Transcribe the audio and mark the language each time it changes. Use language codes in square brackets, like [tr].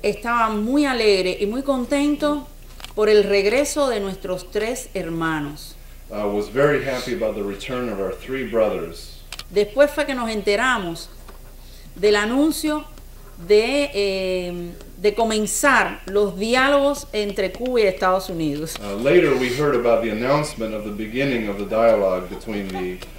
[es] estaba muy alegre y muy contento por el regreso de nuestros tres hermanos. [en] Was very happy about the return of our three brothers. [es] Después fue que nos enteramos del anuncio de comenzar los diálogos entre Cuba y Estados Unidos. [en] Later we heard about the announcement of the beginning of the dialogue between the